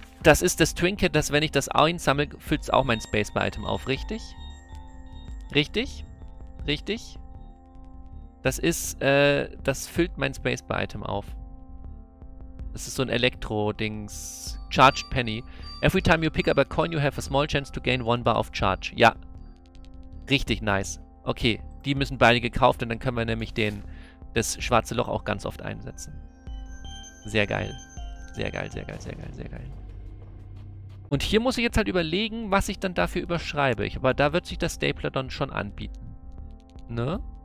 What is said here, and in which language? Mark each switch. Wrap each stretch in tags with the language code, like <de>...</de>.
<de>Das ist das Trinket, dass wenn ich das einsammle, füllt es auch mein Spacebar-Item auf, richtig? Richtig? Richtig? Das ist, das füllt mein Spacebar-Item auf. Das ist so ein Elektro-Dings.</de> <en>Charged Penny. Every time you pick up a coin, you have a small chance to gain one bar of charge.</en> <de>Ja. Richtig nice. Okay, die müssen beide gekauft und dann können wir nämlich den, das schwarze Loch auch ganz oft einsetzen. Sehr geil. Sehr geil, sehr geil, sehr geil, sehr geil. Und hier muss ich jetzt halt überlegen, was ich dann dafür überschreibe. Aber da wird sich der Stapler dann schon anbieten. Ne?</de>